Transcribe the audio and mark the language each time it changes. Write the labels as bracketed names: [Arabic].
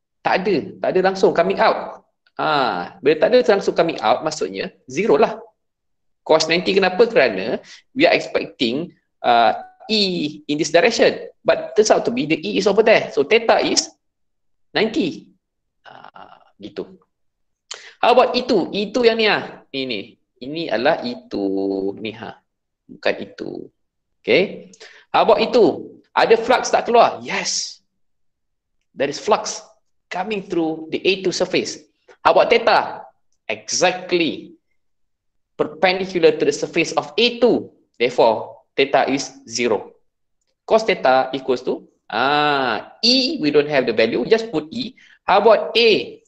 [Malay] Tak ada langsung coming out. Bila tak ada langsung coming out, maksudnya zero lah. Cos 90 kenapa? Kerana [English] we are expecting E in this direction. But turns out to be the E is over there. So theta is 90. [Malay] Gitu. [English] How about E2? [Malay] E2 yang ni lah. Ini. Ini adalah itu ni ha, bukan itu. [English] Okay, how about [Malay] itu? Ada flux tak keluar? [English] Yes, there is flux coming through the A2 surface. How about theta? Exactly perpendicular to the surface of A2, therefore theta is 0. Cos theta equals to E, we don't have the value, just put E. How about A?